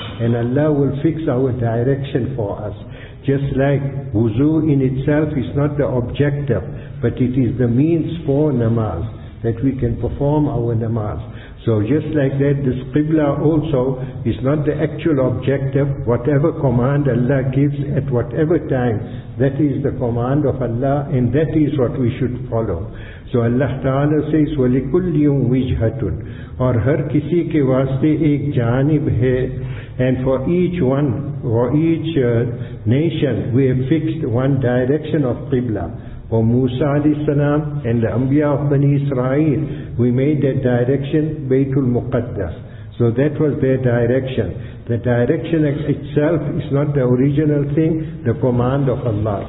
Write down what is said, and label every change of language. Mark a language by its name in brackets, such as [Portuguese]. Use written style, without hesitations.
[English] And Allah will fix our direction for us. Just like wuzu in itself is not the objective, but it is the means for namaz, that we can perform our namaz. So just like that, this Qibla also is not the actual objective. Whatever command Allah gives at whatever time, that is the command of Allah, and that is what we should follow. So Allah Ta'ala says, [Arabic] وَلِكُلِّيُمْ وِجْهَةٌ [Urdu] اور ہر کسی کے واسطے ایک جانب ہے. [English] And for each one, for each nation, we have fixed one direction of Qibla. For Musa alayhi salam and the Anbiya of Bani Israel, we made that direction Baytul Muqaddas. So that was their direction. The direction itself is not the original thing, the command of Allah.